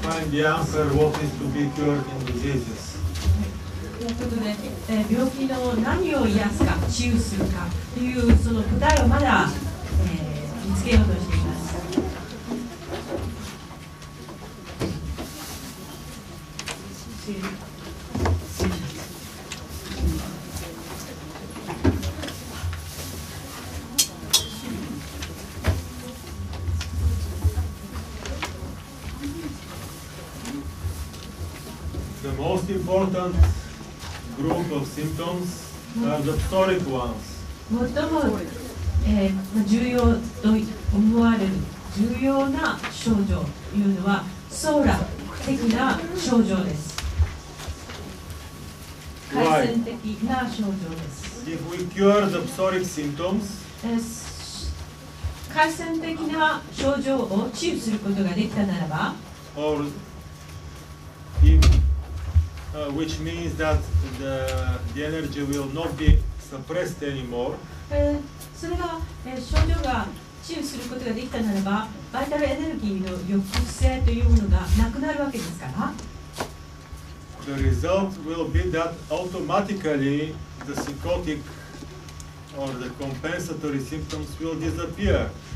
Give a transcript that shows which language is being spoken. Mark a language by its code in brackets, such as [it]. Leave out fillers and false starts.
[en] The answer what is to be cured in diseases. [ja] ということで、病気の何を癒すか、治癒するかというその答えをまだ、見つけようとしています。 [en] Important group of symptoms are the toric ones. [ja] 最も、重要と思われる重要な症状というのはソーラ的な症状です。 [en] Why? [ja] 回線的な症状です。 [en] If we cure the toric symptoms, [ja] 回線的な症状を治癒することができたならば、 [en] or which means that the energy will not be suppressed anymore. [ja] それが、症状が治癒することができたならば、バイタルエネルギーの抑制というものがなくなるわけですから。 [en] The result will be that automatically the psychotic or the compensatory symptoms will disappear.